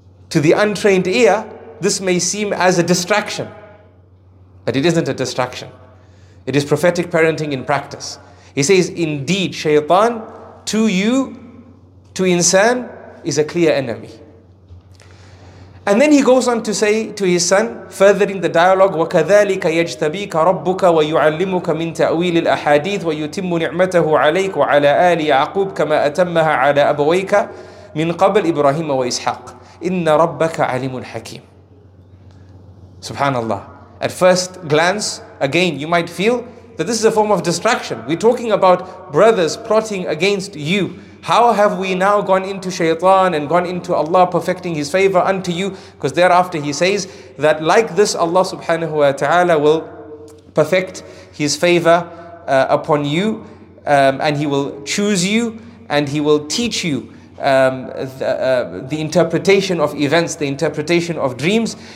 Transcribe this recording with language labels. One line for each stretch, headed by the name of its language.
English: To the untrained ear, this may seem as a distraction. But it isn't a distraction. It is prophetic parenting in practice. He says, indeed, shaytan to you, to insan, is a clear enemy. And then he goes on to say to his son, furthering the dialogue,
Arabic: وَكَذَلِكَ يَجْتَبِيكَ رَبُّكَ وَيُعَلِّمُكَ مِنْ تَأْوِيلِ الْأَحَادِيثِ وَيُتِمُّ نِعْمَتَهُ عَلَيْكَ وَعَلَىٰ آلِ يَعْقُوبَ كَمَا أَتَمَّهَا عَلَىٰ أَبَوَيْكَ مِنْ قَبْلِ إِبْرَاهِيمَ وَإِسْحَاقَ إِنَّ رَبَّكَ عَلِيمٌ حَكِيمٌ.
English: Subhanallah. At first glance, again, you might feel that this is a form of distraction. We're talking about brothers plotting against you. How have we now gone into shaitan and gone into Allah perfecting His favor unto you? Because thereafter He says that like this Allah subhanahu wa ta'ala will perfect His favor upon you, and He will choose you and He will teach you the interpretation of events, the interpretation of dreams.